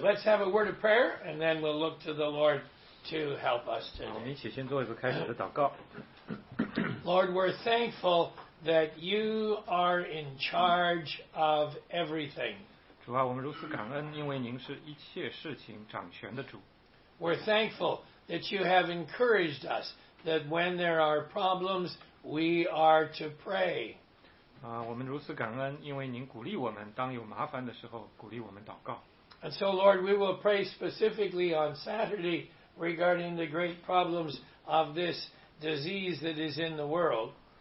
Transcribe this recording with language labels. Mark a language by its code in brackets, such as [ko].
[en] Let's have a word of prayer, and then we'll look to the Lord to help us today. Lord, we're thankful that you are in charge of everything. [zh] 主啊，我们如此感恩，因为您是一切事情掌权的主。 [en] We're thankful that you have encouraged us that when there are problems, we are to pray. [zh] 我们如此感恩，因为您鼓励我们，当有麻烦的时候，鼓励我们祷告。 [en] And so, Lord, we will pray specifically on Saturday regarding the great problems of this disease that is in the world.